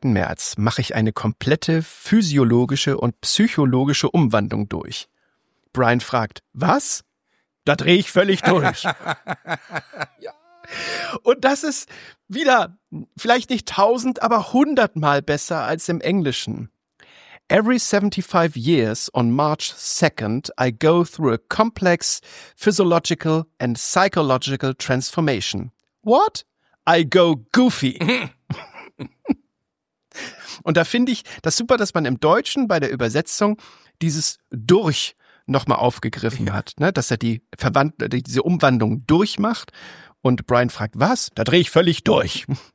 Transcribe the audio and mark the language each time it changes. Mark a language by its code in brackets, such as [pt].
[de] März, mache ich eine komplette physiologische und psychologische Umwandlung durch. Brian fragt, was? da drehe ich völlig durch. Ja. Und das ist wieder vielleicht nicht 1000, aber 100-mal besser als im Englischen. [en] Every 75 years on March 2nd, I go through a complex physiological and psychological transformation. What? I go goofy. [de] Und da finde ich das super, dass man im Deutschen bei der Übersetzung dieses durch nochmal aufgegriffen hat, ne? Dass er diese Umwandlung durchmacht. Und Brian fragt, was? Da drehe ich völlig durch.